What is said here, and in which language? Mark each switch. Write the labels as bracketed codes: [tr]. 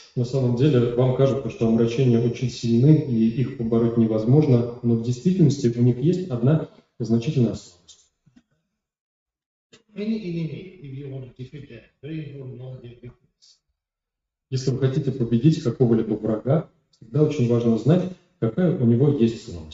[ru] На самом деле, вам кажется, что омрачения очень сильны и их побороть невозможно, но в действительности у них есть одна значительная слабость. [en] Any enemy, if you want to defeat them, very important to know their weakness. [ru] Если вы хотите победить какого-либо врага, всегда очень важно знать, какая у него есть